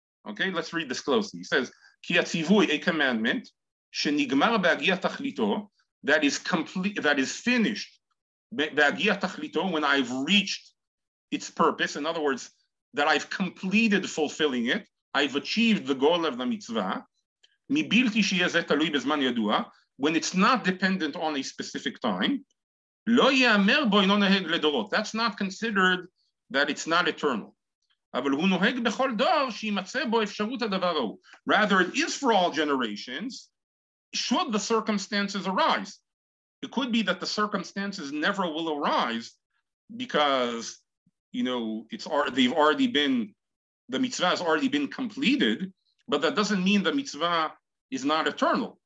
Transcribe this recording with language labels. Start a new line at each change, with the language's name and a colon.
English: Okay, let's read this closely. He says,
Hebrew: ki atzivui,
English: a commandment,
Hebrew: shenigmar ba'agia tachlito,
English: that is complete, that is finished,
Hebrew: ba'agia tachlito,
English: when I've reached its purpose. In other words, that I've completed fulfilling it, I've achieved the goal of the mitzvah,
Hebrew: mibilti shiyazet talui bezman yadua,
English: when it's not dependent on a specific time,
Hebrew: lo ya'amer bo ino noheg ledorot.
English: That's not considered that it's not eternal.
Hebrew: אבל הוא נוהג בכל דור שימצא בו אפשרות הדבר ההוא.
English: Rather, it is for all generations, should the circumstances arise. It could be that the circumstances never will arise because, you know, they've already been, the mitzvah has already been completed, but that doesn't mean the mitzvah is not eternal.